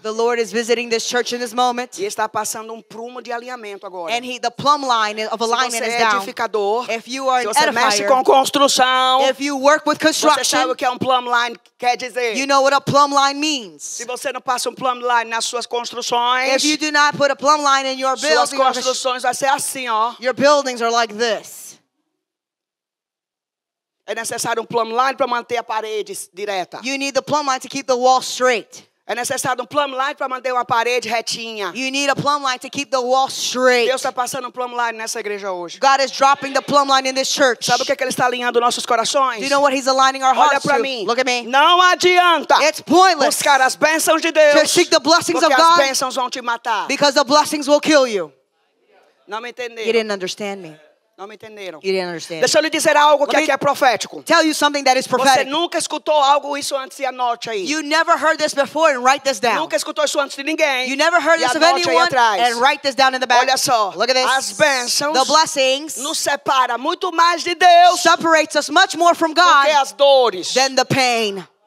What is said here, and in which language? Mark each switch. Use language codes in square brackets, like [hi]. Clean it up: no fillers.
[en] The Lord is visiting this church in this moment. [pt] E está passando prumo de alinhamento agora. [en] And he, the plumb line of alignment is down. [pt] Se você é edificador, [en] if you are [pt] se você [en] edifier, [pt] mexe com construção, [en] if you work with construction, [pt] você sabe o que é plumb line quer dizer. [en] You know what a plumb line means. [pt] Se você não passa plumb line nas suas construções, [en] if you do not put a plumb line in your building, [pt] suas construções vai ser assim, ó. [en] Your buildings are like this. [pt] É necessário plumb line para manter a parede direta. [en] You need the plumb line to keep the wall straight. [pt] É necessário plumb line para manter uma parede retinha. [en] You need a plumb line to keep the wall straight. [pt] Deus está passando plumb line nessa igreja hoje. [en] God is dropping the plumb line in this church. [pt] Sabe o que, é que ele está alinhando nossos corações? [en] Do you know what he's aligning our hearts to? [pt] Olha para mim. [en] Look at me. [pt] Não adianta. [en] It's pointless. [pt] Buscar as bênçãos de Deus. [en] To seek the blessings of God. [pt] Porque as bênçãos vão te matar. [en] Because the blessings will kill you. [pt] Não me entenderam. [en] You didn't understand me. [pt] Não me entenderam. [en] You didn't understand. [pt] Deixa eu lhe dizer algo que aqui é profético. [en] Tell you something that is prophetic. [pt] Você nunca escutou algo isso antes e anote aí. [en] You never heard this before and write this down. [pt] Nunca escutou isso antes de ninguém. [en] You never heard this of anyone and write this down in the back. [pt] Olha só. [en] Look at this. [pt] As bênçãos, [en] the blessings, [pt] nos separa muito mais de Deus. [en] Separates us much more from God. [pt] Do que as dores. [en] Than the pain.